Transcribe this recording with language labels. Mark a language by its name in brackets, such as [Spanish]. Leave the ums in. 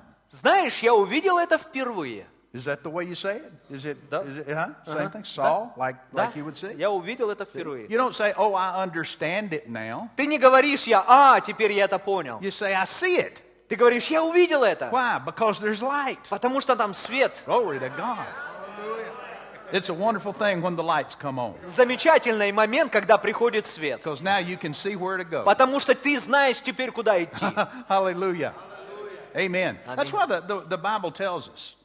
[Russian] Знаешь, я увидел это впервые. [English] Is that the way you say it? Is it, да. is it huh? uh-huh. thing? Saw, да. like, да. like you would say? [Russian] Я увидел это впервые. [English] You don't say, oh, I understand it now. [Russian] Ты не говоришь, я, а, теперь я это понял. [English] You say, I see it. [Russian] Ты говоришь, я увидел это. [English] Why? Because there's light. [Russian] Потому что там свет. [English] Glory to God. It's a wonderful thing when the lights come on. [Russian] Замечательный момент, когда приходит свет. [English] Because now you can see where to go. [Russian] Потому что ты знаешь теперь, куда идти. [English] Hallelujah. Amen. That's why the, the, the Bible tells us.